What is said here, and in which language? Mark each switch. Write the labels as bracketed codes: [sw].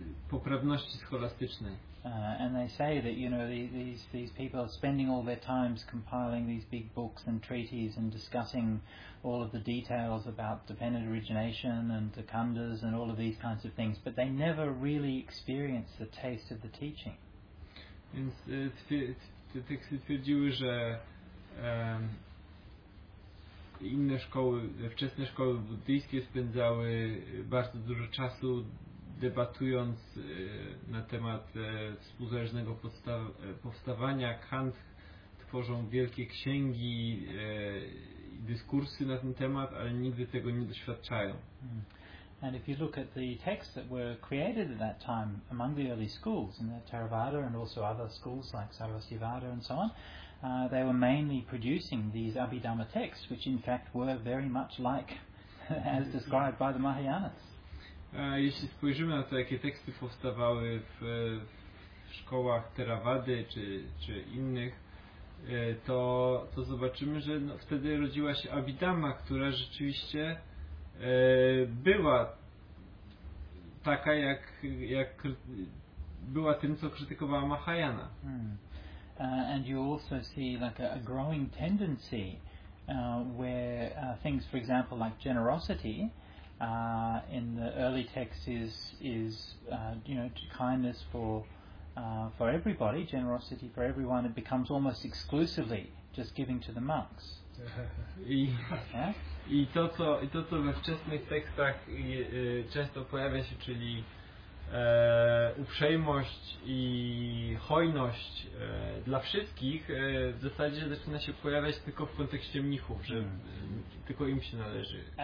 [pl] poprawności scholastycznej. [en] And they say that, you know, these people are spending all their times compiling these big books and treaties and discussing all of the details about dependent origination and the khandhas and all of these kinds of things, but they never really experience the taste of the teaching. [pl] Więc te teksty twierdziły, że inne szkoły, wczesne szkoły buddyjskie spędzały bardzo dużo czasu debatując na temat współzależnego powstawania. Kant tworzą wielkie księgi i dyskursy na ten temat, ale nigdy tego nie doświadczają. [en] And if you look at the texts that were created at that time among the early schools, in the Theravada and also other schools like Sarvastivada and so on, they were mainly producing these Abhidhamma texts, which in fact were very much like as described by the Mahayanas. [pl] Jeśli spojrzymy na to, jakie teksty powstawały w szkołach Theravady czy innych, to zobaczymy, że no, wtedy rodziła się Abhidhamma, która rzeczywiście była taka, jak była tym, co krytykowała Mahayana. [en] And you also see like a growing tendency where things, for example, like generosity in the early texts is you know, kindness for everybody, generosity for everyone. It becomes almost exclusively just giving to the monks. [pl] I to, co we wczesnych tekstach często pojawia się, czyli uprzejmość i hojność dla wszystkich, w zasadzie zaczyna się pojawiać tylko w kontekście mnichów, że tylko im się należy.